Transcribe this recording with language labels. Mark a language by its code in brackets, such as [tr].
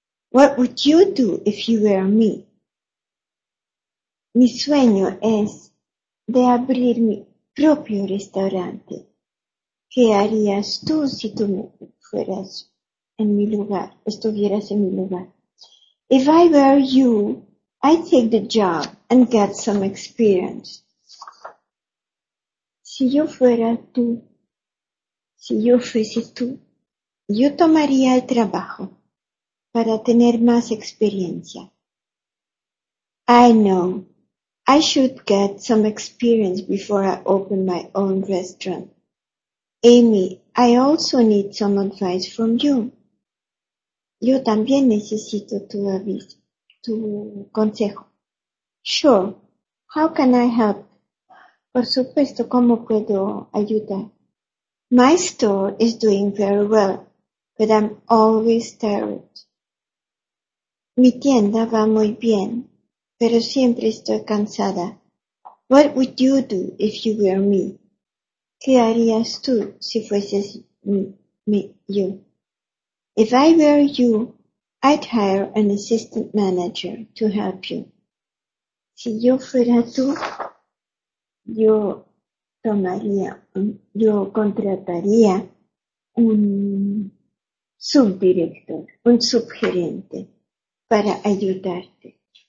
[en] What would you do if you were me? [es] Mi sueño es de abrir mi propio restaurante. ¿Qué harías tú si tú fueras en mi lugar, estuvieras en mi lugar? [en] If I were you, I'd take the job and get some experience. [es] Si yo fuera tú, si yo fuese tú, yo tomaría el trabajo para tener más experiencia. [en] I know. I should get some experience before I open my own restaurant. Amy, I also need some advice from you. [es] Yo también necesito tu aviso. Tu consejo. [en] Sure. How can I help? [es] Por supuesto, ¿cómo puedo ayudar? [en] My store is doing very well, but I'm always tired. [es] Mi tienda va muy bien, pero siempre estoy cansada. [en] What would you do if you were me? [es] ¿Qué harías tú si fueses yo? [en] If I were you, I'd hire an assistant manager to help you. [es] Si yo fuera tú, yo contrataría un subdirector, un subgerente para ayudarte.